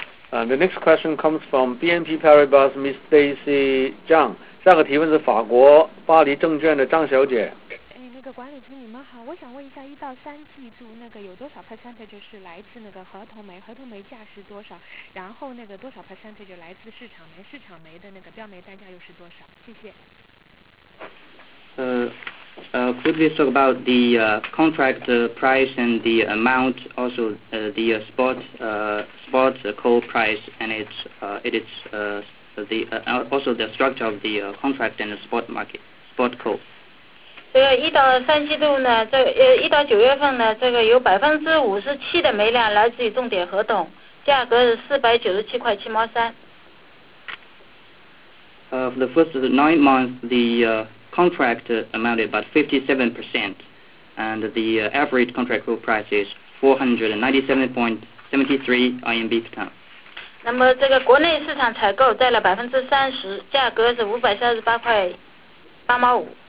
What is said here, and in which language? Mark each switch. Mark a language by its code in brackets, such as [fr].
[en] The next question comes from BNP Paribas, Miss Daisy Zhang. [zh] 下个提问是法国巴黎证券的张小姐。哎，那个管理层你们好，我想问一下，一到三季度那个有多少 percentage 是来自那个合同煤，合同煤价是多少？然后那个多少 percentage 来自市场煤，市场煤的那个标煤单价又是多少？谢谢。 [en] Could we talk about the contract price and the amount, also the spot coal price and its the also the structure of the contract and the spot market spot coal. [zh] 这个一到三季度呢，这一到九月份呢，这个有57%的煤量来自于重点合同，价格是497.73。 [en] For the first 9 months, the contract amounted about 57%, and the average contract coal price is 497.73 RMB per ton. [zh] 那么这个国内市场采购占了30%，价格是538.85。